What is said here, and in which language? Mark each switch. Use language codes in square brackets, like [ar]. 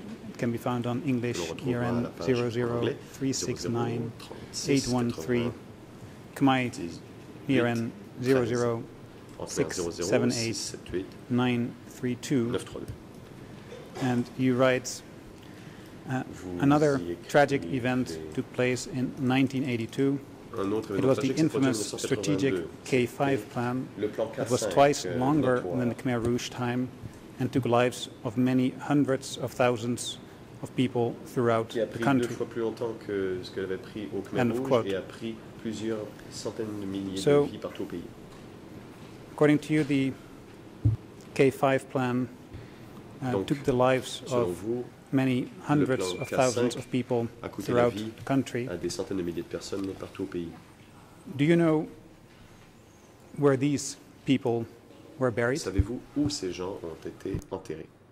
[en] it can be found on English, ERN 00369813, Khmer ERN 00678932, and you write, another tragic event took place in 1982. It was the infamous strategic K5 plan that was twice longer than the Khmer Rouge time and took lives of many hundreds of thousands of people throughout the country. [fr] Deux fois plus longtemps que ce qu'elle avait pris au Khmer Rouge et a pris plusieurs centaines de milliers de vies partout au pays. [en] According to you, the K5 plan took the lives of many hundreds of thousands of people throughout the country. [fr] À des centaines de milliers de personnes partout au pays. [en] Do you know where these people were buried? [fr] Savez-vous où ces gens ont été enterrés?